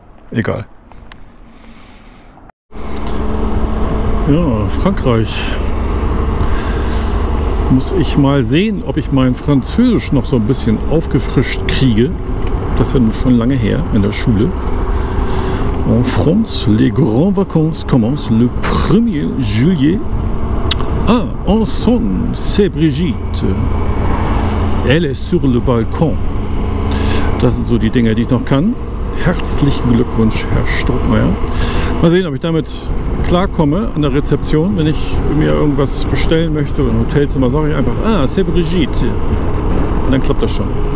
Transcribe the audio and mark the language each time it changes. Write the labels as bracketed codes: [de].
[de] Egal. Ja, Frankreich. Muss ich mal sehen, ob ich mein Französisch noch so ein bisschen aufgefrischt kriege. Das ist ja nun schon lange her in der Schule. [fr] En France, les grandes vacances commencent le 1er juillet. Ah, en son, c'est Brigitte. Elle est sur le balcon. [de] Das sind so die Dinge, die ich noch kann. Herzlichen Glückwunsch, Herr Struckmeier. Mal sehen, ob ich damit klarkomme an der Rezeption, wenn ich mir irgendwas bestellen möchte. Im Hotelzimmer sage ich einfach, ah, [fr] c'est Brigitte. [de] Und dann klappt das schon.